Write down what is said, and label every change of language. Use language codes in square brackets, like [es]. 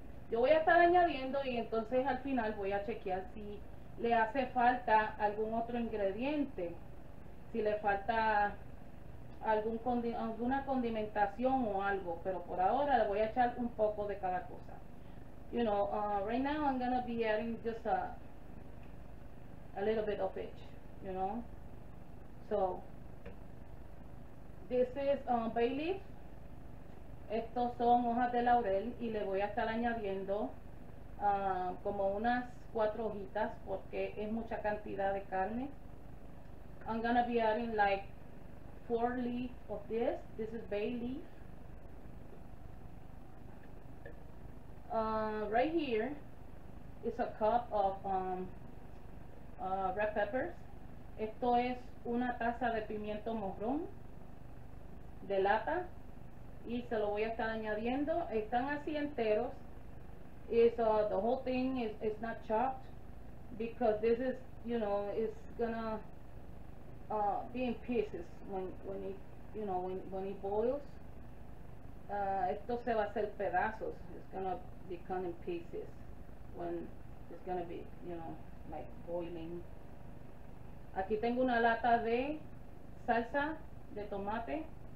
[es] Yo voy a estar añadiendo y entonces al final voy a chequear si le hace falta algún otro ingrediente, si le falta alguna condimentación o algo, pero por ahora le voy a echar un poco de cada cosa. [en] You know, right now I'm gonna be adding just a little bit of each, you know. So, this is bay leaf. [es] Estos son hojas de laurel y le voy a estar añadiendo como unas 4 hojitas porque es mucha cantidad de carne. [en] I'm gonna be adding like 4 leaves of this. This is bay leaf. Right here is a cup of red peppers. [es] Esto es una taza de pimiento morrón de lata. Y se lo voy a estar añadiendo. Están así enteros. [en] It's, the whole thing is not chopped, because this is, you know, it's gonna be in pieces when it boils. [es] Esto se va a hacer pedazos. [en] It's gonna become in pieces when it's gonna be, you know, like boiling. [es] Aquí tengo una lata de salsa de tomate.